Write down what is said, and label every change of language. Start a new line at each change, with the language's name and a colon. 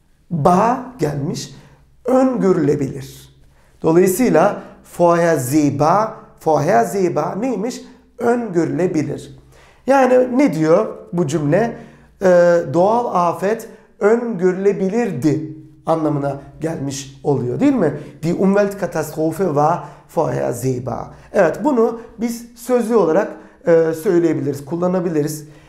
Turkish: Ba gelmiş, öngörülebilir. Dolayısıyla vorher ziba, vorher ziba neymiş? Öngörülebilir. Yani ne diyor bu cümle? Doğal afet öngörülebilirdi anlamına gelmiş oluyor değil mi?
German: Die Umweltkatastrophe war vorhersehbar.
Turkish: Evet bunu biz sözlü olarak söyleyebiliriz, kullanabiliriz.